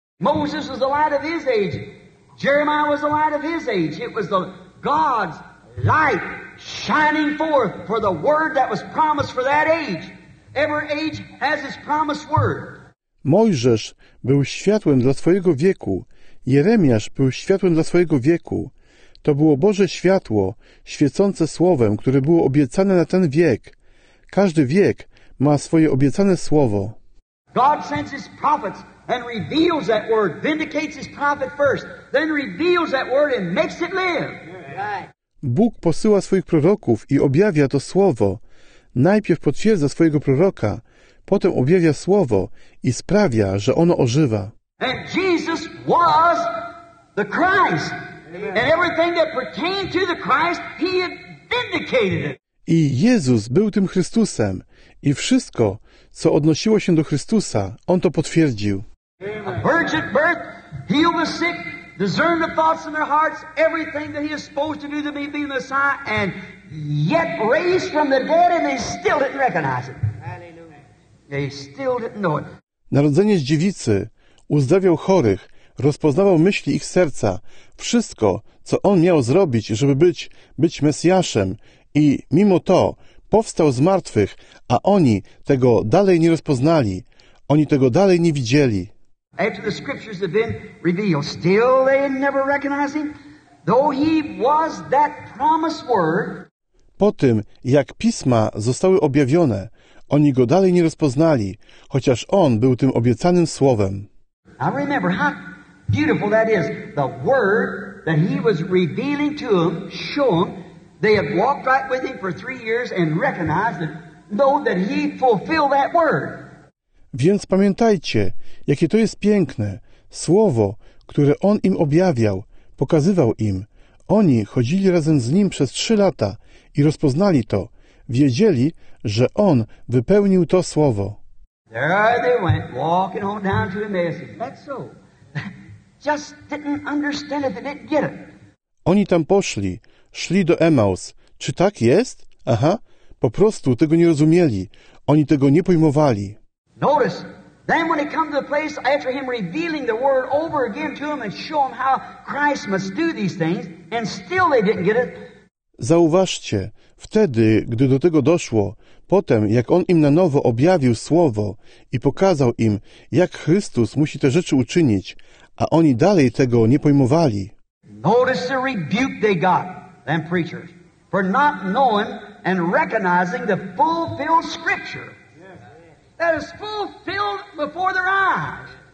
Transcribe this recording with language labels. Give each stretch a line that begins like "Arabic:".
English: Moses was the light of his age. Jeremiah was the light of his age. It was the God's light shining forth for the word that was promised for that age. Every age has its promised word.
Polish: Mojżesz był światłem dla swojego wieku. Jeremiasz był światłem dla swojego wieku. To było Boże światło, świecące słowem, które było obiecane na ten wiek. Każdy wiek ma swoje obiecane słowo.
English: God sends his prophets and reveals that word, vindicates his prophet first, then reveals that word and makes it live.
Polish: Bóg posyła swoich proroków i objawia to słowo. Najpierw potwierdza swojego proroka, potem objawia słowo i sprawia, że ono ożywa.
English: And Jesus was the Christ. And everything that pertained to the Christ, he had vindicated it.
Polish: I Jezus był tym Chrystusem i wszystko, co odnosiło się do Chrystusa, on to potwierdził.
English: A virgin birth, healed the sick, discerned the thoughts in their hearts, everything that he is supposed to do to be Messiah, and yet raised from the dead, and they still didn't recognize it. They still didn't know it.
Polish: Narodzenie z dziewicy, uzdrawiał chorych, rozpoznawał myśli ich serca, wszystko, co on miał zrobić, żeby być Mesjaszem, i mimo to powstał z martwych, a oni tego dalej nie rozpoznali. Oni tego dalej nie widzieli.
English: After the scriptures have been revealed, still they never recognize him, though he was that promised word.
Polish: Po tym, jak pisma zostały objawione, oni go dalej nie rozpoznali, chociaż on był tym obiecanym słowem.
English: I remember how beautiful that is. The word that he was revealing to them, showing they had walked right with him for 3 years and recognized it, know that he fulfilled that word.
Polish: Więc pamiętajcie, jakie to jest piękne słowo, które on im objawiał, pokazywał im. Oni chodzili razem z nim przez 3 lata i rozpoznali to. Wiedzieli, że on wypełnił to słowo.
English: There they went, walking on down to Emmaus. That's so. Just didn't understand it, didn't get it.
Polish: Oni tam poszli, szli do Emmaus. Czy tak jest? Aha, po prostu tego nie rozumieli. Oni tego nie pojmowali.
English: Notice, then when he come to the place after him revealing the word over again to him and show him how Christ must do these things, and still they didn't get it.
Polish: Zauważcie, wtedy, gdy do tego doszło, potem jak on im na nowo objawił słowo i pokazał im, jak Chrystus musi te rzeczy uczynić, a oni dalej tego nie pojmowali.
English: Notice the rebuke they got, them preachers, for not knowing and recognizing the fulfilled scripture. That is fulfilled before their eyes.